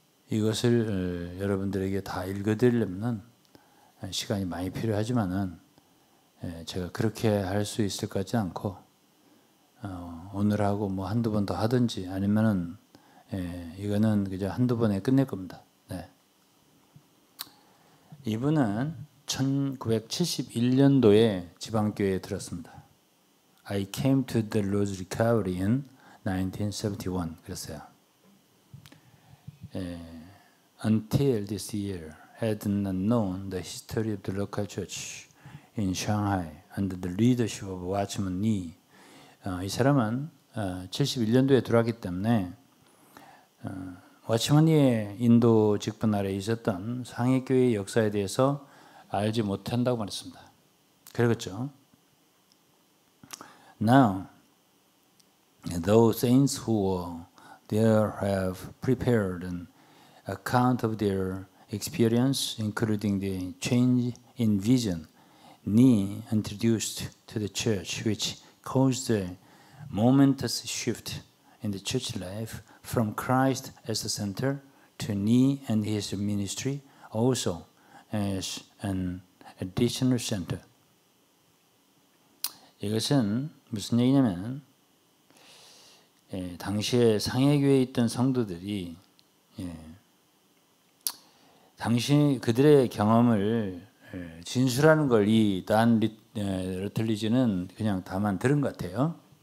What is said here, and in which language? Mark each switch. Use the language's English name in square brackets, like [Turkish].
[Korean] 이것을 여러분들에게 다 읽어드리려면 시간이 많이 필요하지만은 제가 그렇게 할 수 있을 것 같지 않고 오늘하고 뭐 한두 번 더 하든지 아니면은 이거는 그냥 한두 번에 끝낼 겁니다. 네. 이분은 1971년도에 지방교회에 들었습니다. [English] I came to the Lord's Recovery in 1971 [Korean] 그랬어요. [English] Until this year, had not known the history of the local church in Shanghai under the leadership of Watchman Nee. [Korean] 이 사람은 71년도에 들어왔기 때문에 Watchman Nee의 인도 직분 아래 있었던 상해교회의 역사에 대해서 알지 못한다고 말했습니다. 그러겠죠. [English] Now, those saints who were there have prepared an account of their experience, including the change in vision Nee introduced to the church, which caused a momentous shift in the church life from Christ as the center to Nee and his ministry also as an additional center. [Korean] 이것은 무슨 얘기냐면 당시에 상해교회에 있던 성도들이 당시 그들의 경험을 진술하는 걸 이 단 러틀리지는 그냥 다만 들은 것 같아요.